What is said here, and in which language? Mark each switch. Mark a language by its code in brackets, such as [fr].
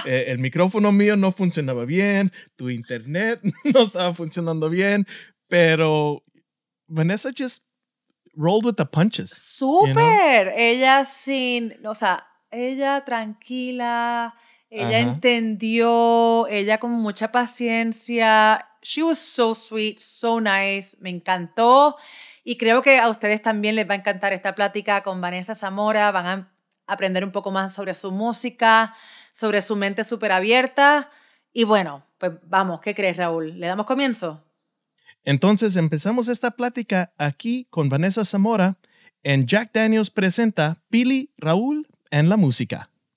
[es] El micrófono mío no funcionaba bien, tu internet no estaba funcionando bien, pero Vanessa [en] just rolled with the punches. ¡Súper! You know? [es] Ella ella tranquila, ella uh-huh. entendió, ella con mucha paciencia. [en] She was so sweet, so nice, [es] me encantó. Y creo que a ustedes también les va a encantar esta plática con Vanessa Zamora. Van a aprender un poco más sobre su música, sobre su mente súper abierta. Y bueno, pues vamos, ¿qué crees, Raúl? ¿Le damos comienzo? Entonces empezamos esta plática aquí con Vanessa Zamora en Jack Daniels presenta Pili, Raúl, en la música.